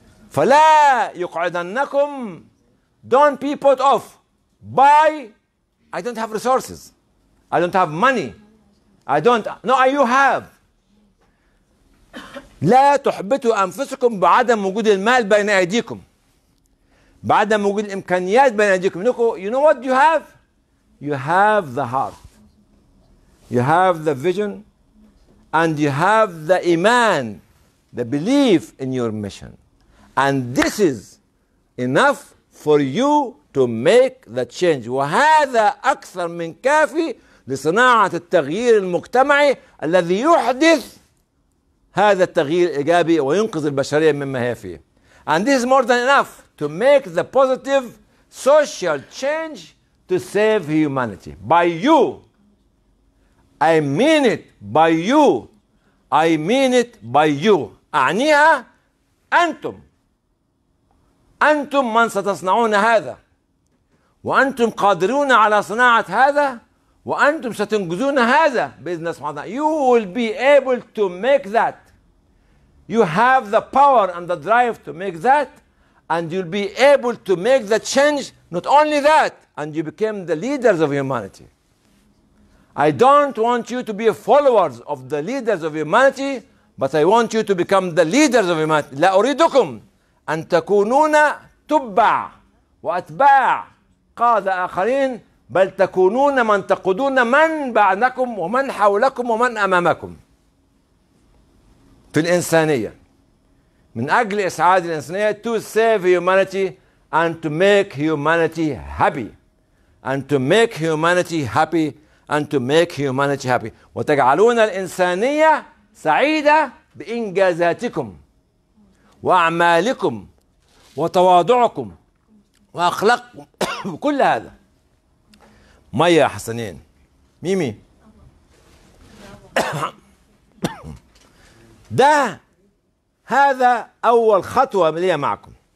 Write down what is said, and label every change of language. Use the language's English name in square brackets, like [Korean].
[Arabic] فلا يقعدنكم، [English] don't be put off by I don't have resources, I don't have money, I don't, no you have. [Arabic] لا تحبطوا أنفسكم بعدم وجود المال بين أيديكم، [English] بعدم وجود الإمكانيات بين أيديكم. You know what you have? You have the heart, you have the vision, and you have the iman, the belief in your mission. And this is enough for you to make the change. [Arabic] وهذا أكثر من كافي لصناعة التغيير المجتمعي الذي يحدث هذا التغيير الإيجابي وينقذ البشرية مما هي فيه. [English] And this is more than enough to make the positive social change to save humanity. By you, I mean it. By you, I mean it. By you, [Arabic] أعنيها أنتم. أنتم من ستصنعون هذا، وأنتم قادرون على صناعة هذا، وأنتم ستنجزون هذا بإذن الله سبحانه. [English] You will be able to make that. You have the power and the drive to make that, and you'll be able to make the change. Not only that, and you became the leaders of humanity. I don't want you to be followers of the leaders of humanity, but I want you to become the leaders of humanity. [Arabic] لا أريدكم أن تكونون تبع وأتباع قادة آخرين، بل تكونون من تقودون من بعدكم ومن حولكم ومن أمامكم في الإنسانية، من أجل إسعاد الإنسانية. [English] To save humanity and to make humanity happy and to make humanity happy and to make humanity happy. [Arabic] وتجعلون الإنسانية سعيدة بإنجازاتكم وأعمالكم وتواضعكم وأخلاقكم كل هذا. ميا حسنين ميمي ده هذا أول خطوة ليا معكم.